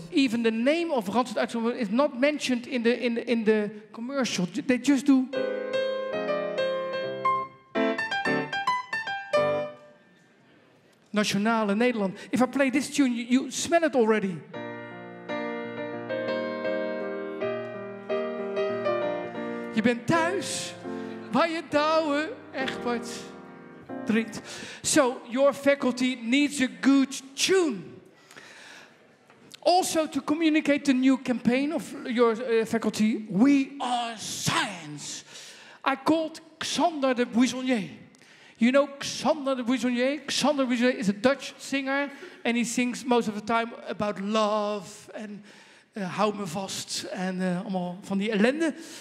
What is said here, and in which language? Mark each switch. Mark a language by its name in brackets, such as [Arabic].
[English] Even the name of Randstad Uitzendbureau is not mentioned in the commercial. They just do. Nationale Nederland. If I play this tune, you smell it already. [Dutch] Je bent thuis, waar je douwe Egbert drinkt. [English] So, your faculty needs a good tune. Also, to communicate the new campaign of your faculty, we are science. I called Xander de Buissonnier. You know Xander de Buissonnier? Xander de Buissonnier is a Dutch singer, and he sings most of the time about love and hou me vast and [Dutch] allemaal van die ellende.